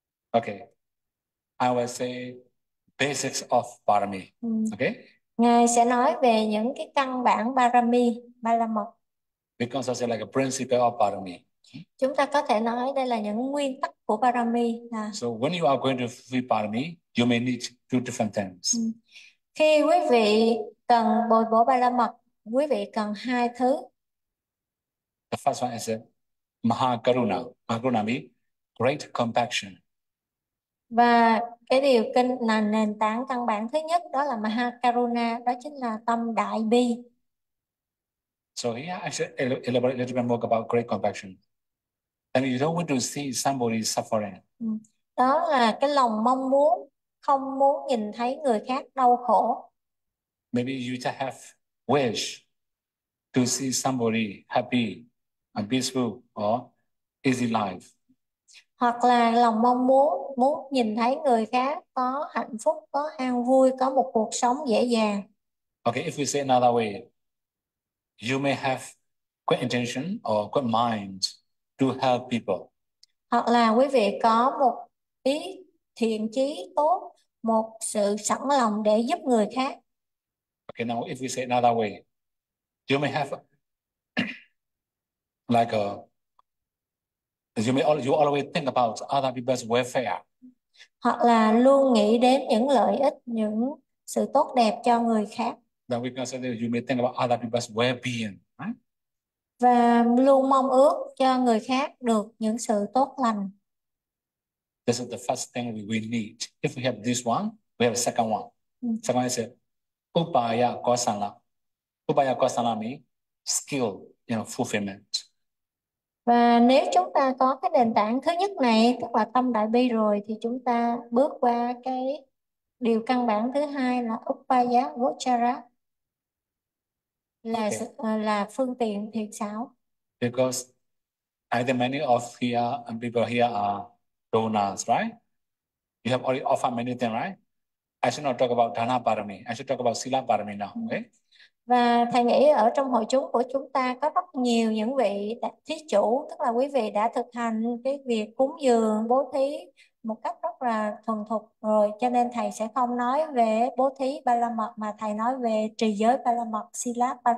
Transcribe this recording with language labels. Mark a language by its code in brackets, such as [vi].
[en] Okay. I will say basics of Parami. Okay. [vi] Ngài sẽ nói về những cái căn bản Parami, Ba La Mật. [en] Because I say like a principle of Parami. [vi] Chúng ta có thể nói đây là những nguyên tắc của Parami. [en] So when you are going to feed Parami, you may need two different things. [vi] Khi quý vị cần bồi bổ Ba La Mật, quý vị cần hai thứ. [en] The first one is a Mahakaruna, Mahakaruna means great compassion. [vi] Và cái điều kinh là nền tảng căn bản thứ nhất đó là Maha Karuna, đó chính là tâm đại bi. [en] So here I should elaborate a little bit more about great compassion. I mean, you don't want to see somebody suffering. [vi] Đó là cái lòng mong muốn không muốn nhìn thấy người khác đau khổ. [en] Maybe you just have wish to see somebody happy and peaceful or easy [vi] Hoặc là lòng mong muốn muốn nhìn thấy người khác có hạnh phúc, có an vui, có một cuộc sống dễ dàng. [en] Okay, if we say another way, you may have good intention or good mind to help people. [vi] Hoặc là quý vị có một ý thiện chí tốt, một sự sẵn lòng để giúp người khác. [en] Okay, now if we say another way, you may have like you always think about other people's welfare. [vi] Hoặc là luôn nghĩ đến những lợi ích, những sự tốt đẹp cho người khác. [en] Then we can say that you may think about other people's well-being, right? [vi] Và luôn mong ước cho người khác được những sự tốt lành. [en] This is the first thing we will need. If we have this one, we have a second one. Second one is a upaya kosala. Upaya kosala means skill, fulfillment. [vi] Và nếu chúng ta có cái nền tảng thứ nhất này, tức là tâm đại bi rồi, thì chúng ta bước qua cái điều căn bản thứ hai là Upaya Gochara, là phương tiện thiện xảo. [en] Because either many of here and people here are donors, right? You have already offered many things, right? I should not talk about Dana Parami. I should talk about Sila Parami now, okay? [vi] Và thầy nghĩ ở trong hội chúng của chúng ta có rất nhiều những vị thí chủ, tức là quý vị đã thực hành cái việc cúng dường bố thí một cách rất là thuần thục rồi, cho nên thầy sẽ không nói về bố thí ba la mật mà thầy nói về trì giới ba la mật, sila